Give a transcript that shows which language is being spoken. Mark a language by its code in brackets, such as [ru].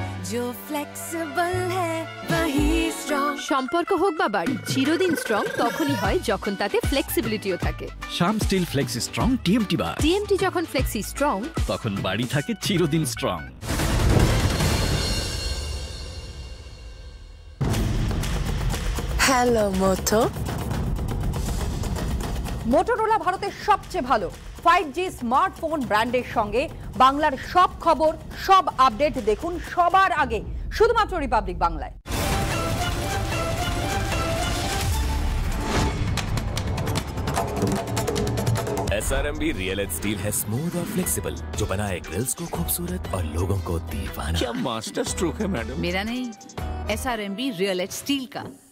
[hi] जो फ्लेक्सिबल है वही स्ट्रांग [bn] সম্পর্ক হোক বা বাড়ি চিরদিন স্ট্রং তখনই হয় যখন তাতে ফ্লেক্সিবিলিটিও থাকে শ্যাম স্টিল ফ্লেক্সি স্ট্রং টিএমটি বার টিএমটি যখন ফ্লেক্সি স্ট্রং তখন বাড়ি থাকে চিরদিন স্ট্রং হ্যালো মোটো মোটোরোলা ভারতের সবচেয়ে ভালো 5G স্মার্টফোন ব্র্যান্ডের সঙ্গে বাংলার সব খবর সব আপডেট দেখুন সবার আগে শুধুমাত্র রিপাবলিক বাংলায় [hi] SRMB Real Steel है स्मूथ और फ्लेक्सिबल जो बनाए ग्रिल्स को खूबसूरत और लोगों को दीवाना क्या मास्टर स्ट्रोक है मैडम मेरा नहीं SRMB Real Steel का